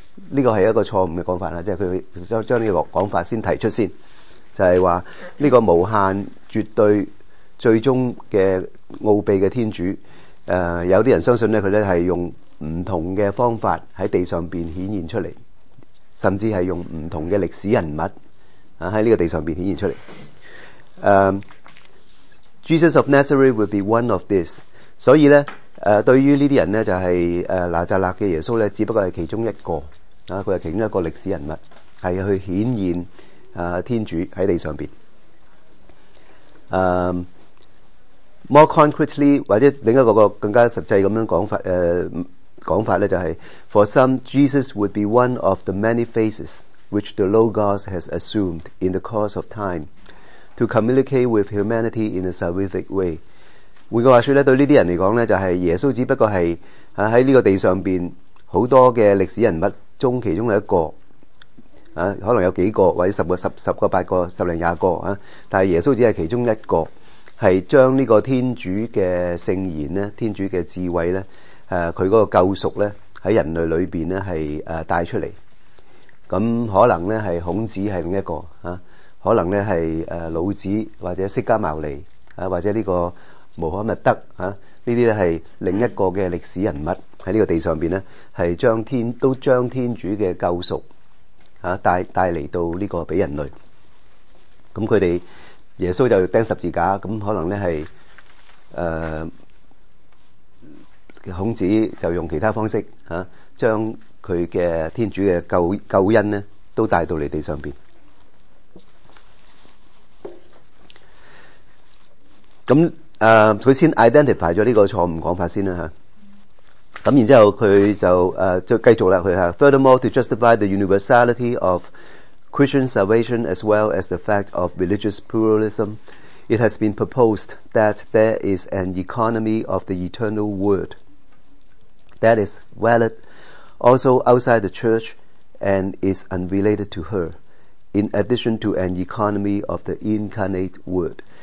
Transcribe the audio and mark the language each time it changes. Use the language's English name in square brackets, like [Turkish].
[Cantonese] 呢个系一个错误嘅讲法啦，即系佢将呢个讲法先提出先，就系话呢个无限绝对最终嘅奥秘嘅天主，有啲人相信咧，佢咧系用唔同嘅方法喺地上边显现出嚟，甚至系用唔同嘅历史人物啊喺呢个地上边显现出嚟。 [English] Jesus of Nazareth would be one of this， [Cantonese] 所以咧。对于呢啲人呢，就係拿撒勒嘅耶稣呢只不过係其中一个佢係其中一个历史人物，係去显现天主喺地上面。 [English] More concretely， [Cantonese] 或者另一个更加实际咁样讲法呢，就係 [English] For some Jesus would be one of the many faces which the Logos has assumed in the course of time to communicate with humanity in a salvific way。 [Cantonese] 换句话说咧，对呢啲人嚟讲咧，就系耶稣只不过系喺呢个地上边好多嘅历史人物中，其中有一个可能有几个，或者十个、八个、十零廿个但系耶稣只系其中一个，系将呢个天主嘅圣言咧，天主嘅智慧咧，佢嗰个救赎咧喺人类里边咧系带出嚟。咁可能咧系孔子系另一个可能咧系老子或者释迦牟尼或者呢、这个。穆罕默德呢啲咧系另一个嘅历史人物喺呢个地上边咧，系将天主嘅救赎带嚟到呢个俾人类。咁佢哋耶稣就钉十字架，咁可能咧系孔子就用其他方式将佢嘅天主嘅救恩咧都带到嚟地上边。咁佢先 identify 咗呢个错误讲法先啦，咁然之后佢就继续啦，佢话 [English] Furthermore, to justify the universality of Christian salvation as well as the fact of religious pluralism, it has been proposed that there is an economy of the eternal word that is valid also outside the church and is unrelated to her, in addition to an economy of the incarnate word。